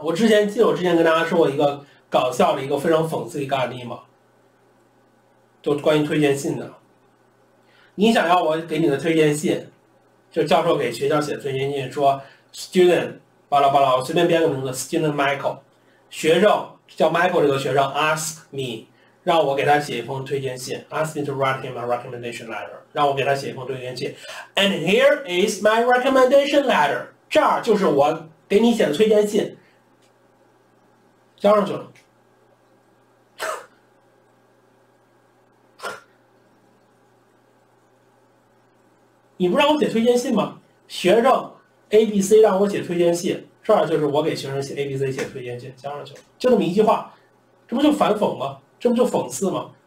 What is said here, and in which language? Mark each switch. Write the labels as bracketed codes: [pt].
[zh] 我之前跟大家说过一个搞笑的一个非常讽刺的一个案例嘛，就关于推荐信的。你想要我给你的推荐信，就教授给学校写的推荐信，说 student 巴拉巴拉，我随便编个名字 student Michael， 学生叫 Michael 这个学生 [en] ask me。 [zh] 让我给他写一封推荐信 [en] ，ask me to write him a recommendation letter。 [zh] 让我给他写一封推荐信 [en] ，and here is my recommendation letter。 [zh] 这儿就是我给你写的推荐信，交上去了。你不让我写推荐信吗？学生 A、B、C 让我写推荐信，这儿就是我给学生写 A、B、C 写推荐信，交上去了，就这么一句话，这不就反讽吗？这不就讽刺吗？